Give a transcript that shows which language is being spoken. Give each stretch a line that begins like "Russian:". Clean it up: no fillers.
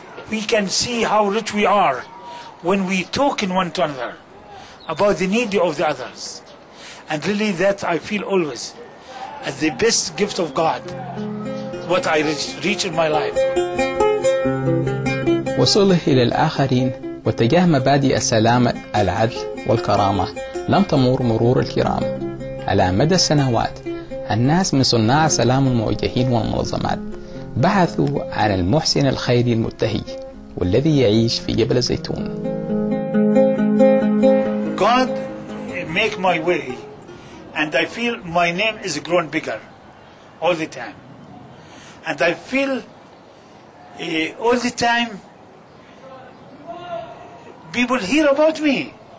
English: We can see how rich we are when we talk in one to another about the need of the others. And really that I feel always as the best gift of God, what I reach in my life.
Arabic: وصوله إلى الآخرين واتجاه مبادئ السلام، العدل والكرامة لم تمر مرور الكرام. على مدى السنوات الناس من صناع سلام الموجهين والمنظمات بحثوا عن المحسن الخيري المتهي والذي يعيش في جبل الزيتون.
English: God make my way and I feel my name is grown bigger all the time. And I feel all the time people hear about me.